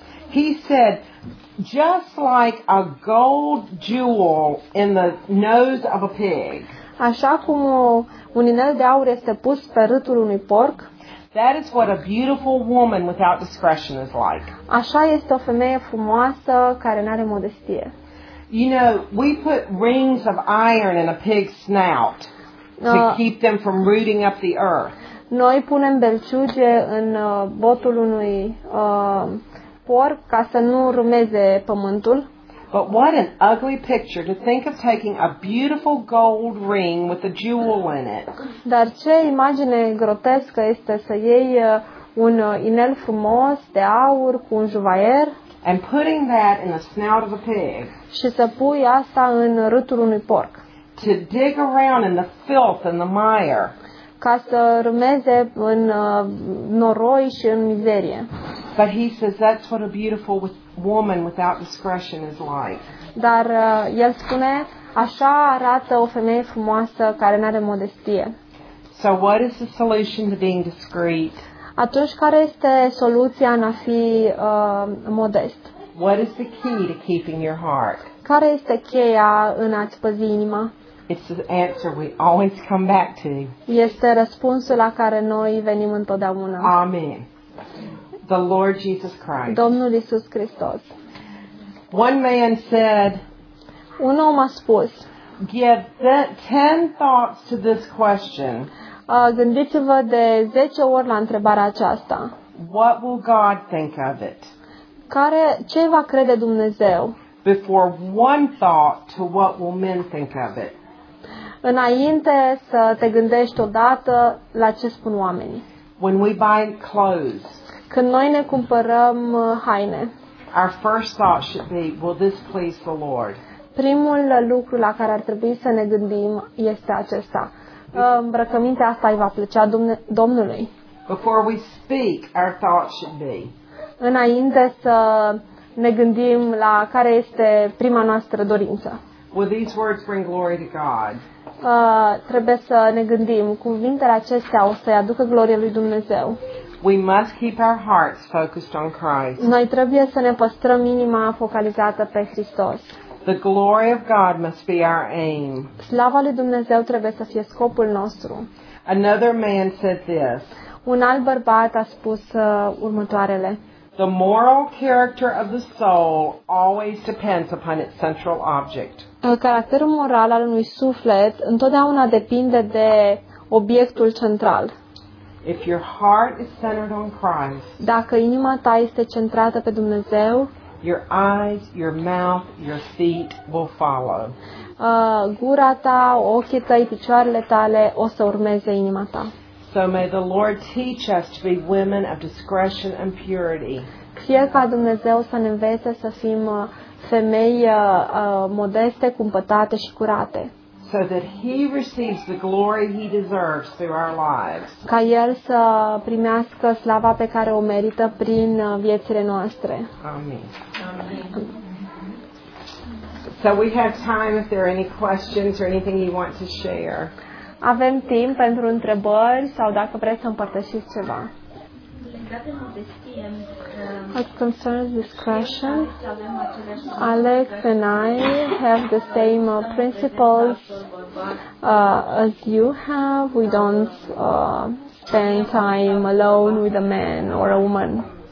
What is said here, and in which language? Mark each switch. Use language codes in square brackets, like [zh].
[en] He said, just like a gold jewel in the nose of a pig. [ro] Așa cum un inel de aur este pus pe râtul unui porc. [en] That is what a beautiful woman without discretion is like. [ro] Așa este o femeie frumoasă care n-are modestie. [en] You know, we put rings of iron in a pig's snout to keep them from rooting up the earth. [ro] Noi punem belciuge în botul unui porc ca să nu rumeze pământul. [en] But what an ugly picture to think of taking a beautiful gold ring with a jewel in it. [ro] Dar ce imagine grotescă este să iei un inel frumos de aur cu un juvaier [en] and putting that in the snout of a pig. [ro] Și să pui asta în râtul unui porc. [en] To dig around in the filth and the mire. [ro] Ca să rumeze în noroi și în mizerie. [en] But he says that's what a beautiful woman without discretion is like. [ro] Dar el spune, așa arată o femeie frumoasă care n-are modestie. [en] So what is the solution to being discreet? [ro] Atunci, care este soluția în a fi modest? [en] What is the key to keeping your heart? [ro] Care este cheia în a-ți păzi inima? [en] It's the answer we always come back to. [ro] Este răspunsul la care noi venim întotdeauna. [en] Amen. The Lord Jesus Christ. [ro] Domnul Iisus Hristos. [en] One man said, [ro] un om a spus, [en] give 10 thoughts to this question. [ro] Gândiți-vă de 10 ori la întrebarea aceasta. [en] What will God think of it? [ro] Care, ce va crede Dumnezeu? [en] Before one thought to what will men think of it. [ro] Înainte să te gândești odată la ce spun oamenii. [en] When we buy clothes. [ro] Când noi ne cumpărăm haine. [en] Our first thought should be, will this please the Lord? [ro] Primul lucru la care ar trebui să ne gândim este acesta. Îmbrăcămintea asta îi va plăcea Domnului. [en] Before we speak, our thought should be. [ro] Înainte să ne gândim la care este prima noastră dorință. [en] Will these words bring glory to God? [ro] Trebuie să ne gândim, cuvintele acestea o să-i aducă glorie lui Dumnezeu. [en] We must keep our hearts focused on Christ. [ro] Noi trebuie să ne păstrăm inima focalizată pe Hristos. [en] The glory of God must be our aim. [ro] Slava lui Dumnezeu trebuie să fie scopul nostru. [en] Another man said this. [ro] Un alt bărbat a spus următoarele. [en] The moral character of the soul always depends upon its central object. [ro] Caracterul moral al unui suflet întotdeauna depinde de obiectul central. [en] If your heart is centered on Christ, [ro] dacă inima ta este centrată pe Dumnezeu, [en] your eyes, your mouth, your feet will follow. [ro] Gura ta, ochii tăi, picioarele tale o să urmeze inima ta. [en] So may the Lord teach us to be women of discretion and purity. [ro] Fie ca Dumnezeu să ne învețe să fim femei modeste, cumpătate și curate. [en] So that he receives the glory he deserves through our lives. [ro] Ca el să primească slava pe care o merită prin viețile noastre. [en] Amen. [ro] Amen. [en] So we have time if there are any questions or anything you want to share. [ro] Avem timp pentru întrebări sau dacă vreți să împărtășiți ceva. [en] What concerns discretion? Alex and I have the same principles as you have. We don't spend time alone with a man or a woman.